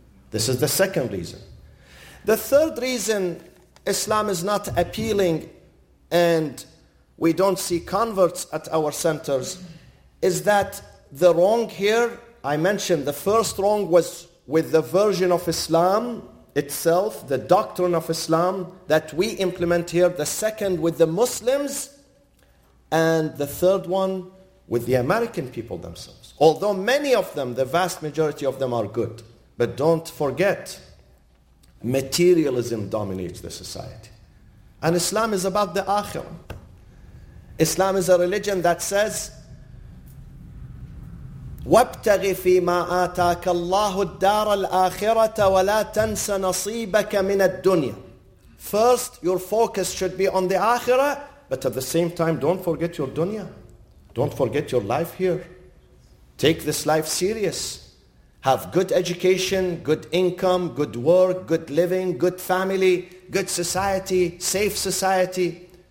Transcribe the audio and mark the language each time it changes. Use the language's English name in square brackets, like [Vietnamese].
[English] This is the second reason. The third reason Islam is not appealing and we don't see converts at our centers is that the wrong here, I mentioned the first wrong was with the version of Islam itself, the doctrine of Islam that we implement here, the second with the Muslims, and the third one with the American people themselves. Although many of them, the vast majority of them are good, but don't forget, materialism dominates the society. And Islam is about the akhirah. Islam is a religion that says, [Arabic] وَابْتَغِ فِي مَا آتَاكَ اللَّهُ الدَّارَ الْآخِرَةَ وَلَا تَنْسَ نَصِيبَكَ مِنَ الدُّنْيَا. [English] First, your focus should be on the akhirah, but at the same time, don't forget your dunya. Don't forget your life here. Take this life serious. Have good education, good income, good work, good living, good family, good society, safe society.